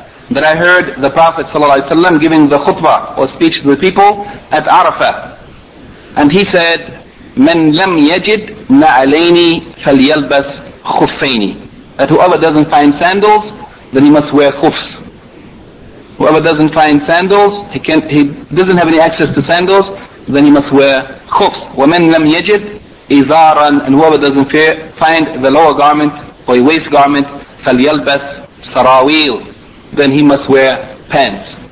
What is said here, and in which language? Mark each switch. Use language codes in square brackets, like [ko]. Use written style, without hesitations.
[en] That I heard the Prophet sallallahu alayhi wa sallam giving the khutbah or speech to the people at Arafah. And he said, [ar] مَنْ لَمْ يَجِدْ نَعَلَيْنِ فَلْيَلْبَسْ خُفَّيْنِ. [en] That whoever doesn't find sandals, then he must wear khufs. Whoever doesn't find sandals, he doesn't have any access to sandals, then he must wear khufs. [ar] وَمَنْ لَمْ يَجِدْ إِذَارًا. [en] And whoever doesn't find the lower garment or a waist garment, [ar] فَلْيَلْبَسْ سَرَاوِيلٌ. [en] Then he must wear pants.